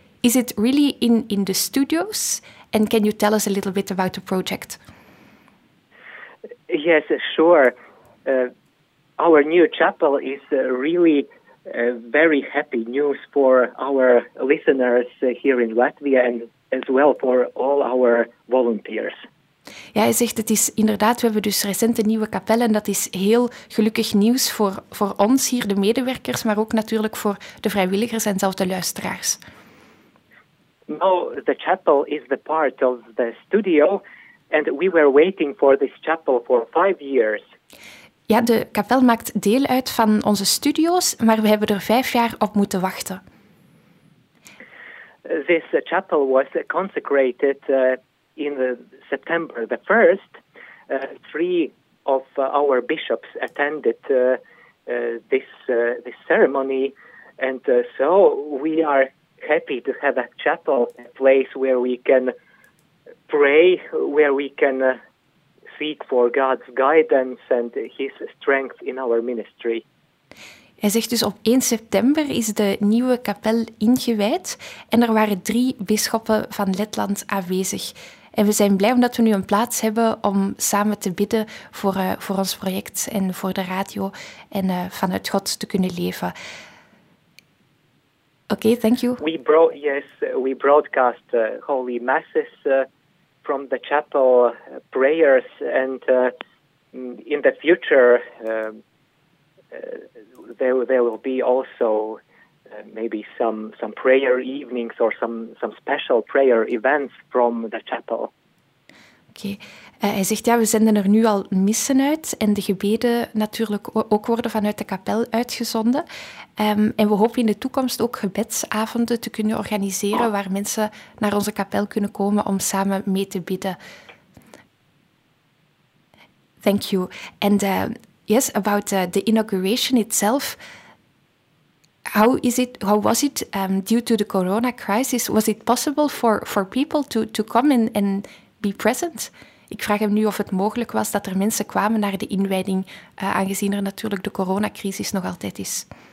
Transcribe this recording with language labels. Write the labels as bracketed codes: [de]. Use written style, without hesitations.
[en] Is it really in the studios? And can you tell us a little bit about the project? Yes, sure. Our new chapel is really very happy news for our listeners here in Latvia and as well for all our volunteers. [nl] Ja, hij zegt het is inderdaad, we hebben dus recent een nieuwe kapel en dat is heel gelukkig nieuws voor ons hier, de medewerkers, maar ook natuurlijk voor de vrijwilligers en zelfs de luisteraars. [en] No, the chapel is the part of the studio and we were waiting for this chapel for 5 years. [nl] Ja, de kapel maakt deel uit van onze studio's, maar we hebben er 5 jaar op moeten wachten. [en] This chapel was consecrated in September the 1st. Three of our bishops attended this ceremony. And so we are happy to have a chapel, a place where we can pray, where we can seek for God's guidance and his strength in our ministry. [nl] Hij zegt dus op 1 september is de nieuwe kapel ingewijd en er waren 3 bisschoppen van Letland aanwezig. En we zijn blij omdat we nu een plaats hebben om samen te bidden voor ons project en voor de radio en vanuit God te kunnen leven. [en] Oké, thank you. We broadcast holy masses from the chapel, prayers, and in the future there will be also maybe some prayer evenings or some special prayer events from the chapel. [nl] Oké. Hij zegt, ja, we zenden er nu al missen uit en de gebeden natuurlijk ook worden vanuit de kapel uitgezonden. En we hopen in de toekomst ook gebedsavonden te kunnen organiseren waar mensen naar onze kapel kunnen komen om samen mee te bidden. [en] Thank you. And yes, about the inauguration itself, how was it due to the corona crisis? Was it possible for people to come and be present? [nl] Ik vraag hem nu of het mogelijk was dat er mensen kwamen naar de inwijding, aangezien er natuurlijk de coronacrisis nog altijd is.